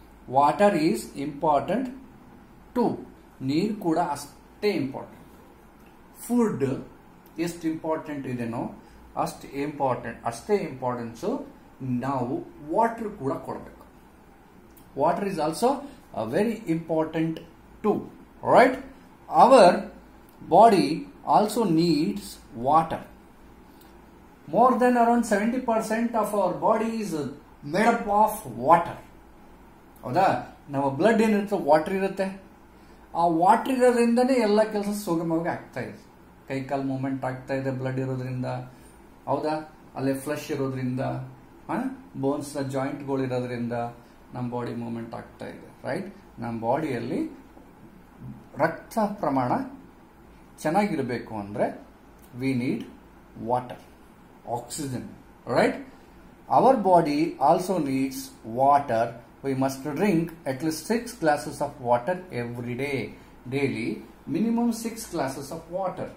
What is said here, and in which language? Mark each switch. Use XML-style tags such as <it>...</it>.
<en>water is important to</en> <kn>ನೀರು ಕೂಡ ಅಷ್ಟೇ ಇಂಪಾರ್ಟೆಂಟ್. ಫುಡ್ ಎಷ್ಟು ಇಂಪಾರ್ಟೆಂಟ್ ಇದೆನೋ ಅಷ್ಟೇ importance</kn> <en>now water</en> <kn>kuda kodabeku.</kn> <en>Water is also a very important too, right? Our body also needs water. More than around 70% of our body is made up of water.</en> <kn>ಹೌದಾ? ನಮ್ಮ blood ಏನಿರುತ್ತೆ, water ಇರುತ್ತೆ. ಆ water ಇರೋದ್ರಿಂದನೇ ಎಲ್ಲ ಕೆಲಸ ಸುಗಮವಾಗಿ ಆಗ್ತಾ ಇದೆ. ಕೈ ಕಾಲು ಮೂಮೆಂಟ್ ಆಗ್ತಾ ಇದೆ ಬ್ಲಡ್ ಇರೋದ್ರಿಂದ, ಹೌದಾ? ಅಲ್ಲಿ ಫ್ಲಶ್ ಇರೋದ್ರಿಂದ, ಬೋನ್ಸ್ ಜಾಯಿಂಟ್ಗಳು ಇರೋದ್ರಿಂದ ನಮ್ಮ ಬಾಡಿ ಮೂಮೆಂಟ್ ಆಗ್ತಾ ಇದೆ, ರೈಟ್? ನಮ್ಮ ಬಾಡಿಯಲ್ಲಿ ರಕ್ತ ಪ್ರಮಾಣ ಚೆನ್ನಾಗಿರಬೇಕು ಅಂದರೆ</kn> <en>We need water, oxygen, right? Our body also needs water. We must drink at least 6 glasses of water every day. Daily, minimum 6 glasses of water.</en>